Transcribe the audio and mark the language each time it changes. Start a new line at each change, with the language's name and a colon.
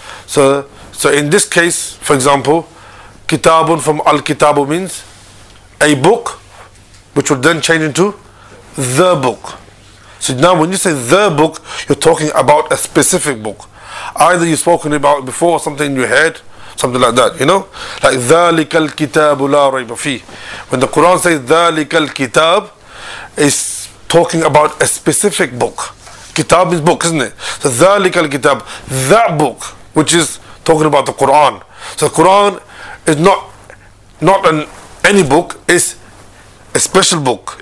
English: So in this case, for example, kitabun from al kitabu means a book, which would then change into the book. So now when you say the book, you're talking about a specific book. Either you've spoken about it before, or something in your head, something like that, you know?
Arabic: Like, ذَلِكَ الْكِتَابُ لَا رَيْبَ فِيهِ.
English: When the Quran says,
Arabic: ذَلِكَ الْكِتَابُ,
English: it's talking about a specific book. Kitab is book, isn't it? So
Arabic: ذَلِكَ الْكِتَابُ,
English: that book, which is talking about the Quran. So the Quran is not any book, it's a special book.